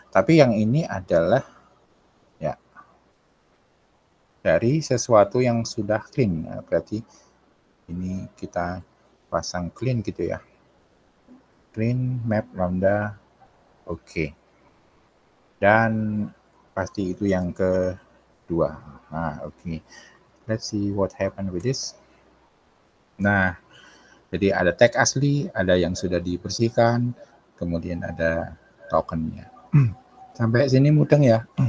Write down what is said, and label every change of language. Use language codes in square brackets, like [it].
[id] Tapi yang ini adalah dari sesuatu yang sudah clean. Berarti ini kita pasang clean gitu ya. Clean map lambda. Oke. Dan pasti itu yang kedua. Nah, oke. [en] Let's see what happened with this. [id] Nah, jadi ada tag asli, ada yang sudah dibersihkan, kemudian ada tokennya. Sampai sini mudeng ya.